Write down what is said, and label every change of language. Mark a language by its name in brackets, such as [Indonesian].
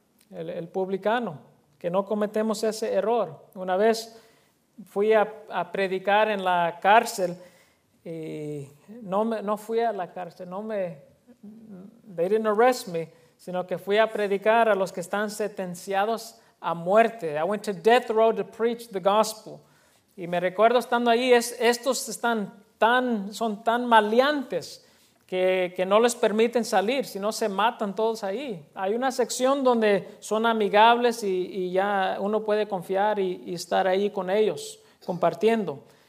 [Spanish] El publicano, que no cometemos ese error. Una vez fui a predicar en la cárcel y no fui a la cárcel, [English] they didn't arrest me, [Spanish] sino que fui a predicar a los que están sentenciados a muerte. [English] I went to death row to preach the gospel. [Spanish] Y me recuerdo estando ahí, estos están son tan maleantes que no les permiten salir, si no se matan todos ahí. Hay una sección donde son amigables y ya uno puede confiar y estar ahí con ellos, compartiendo.